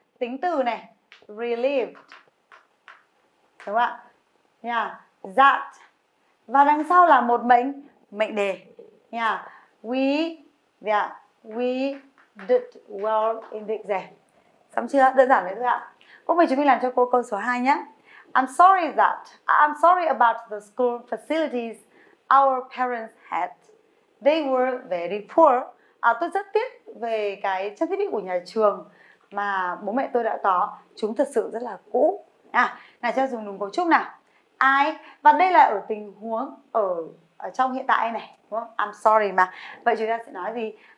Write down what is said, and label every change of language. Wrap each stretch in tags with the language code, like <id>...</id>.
<vi>Tính từ này, relieved, đúng không ạ? Nha, yeah. That. Và đằng sau là một mệnh đề. Nha, yeah. We, yeah.</vi> <en>We did well in the exam.</en> <vi>Xong chưa? Đơn giản đấy thôi ạ. Cô mời chúng mình làm cho cô câu số 2 nhé.</vi> <en>I'm sorry about the school facilities our parents had. They were very poor.</en> <vi>Tôi rất tiếc về cái trang thiết bị của nhà trường mà bố mẹ tôi đã có. Chúng thật sự rất là cũ. Này cho dùng đúng cấu trúc nào. I, và đây là ở tình huống ở trong hiện tại này, đúng không?</vi> <en>I'm sorry</en> <vi>mà. Vậy chúng ta sẽ nói gì?</vi>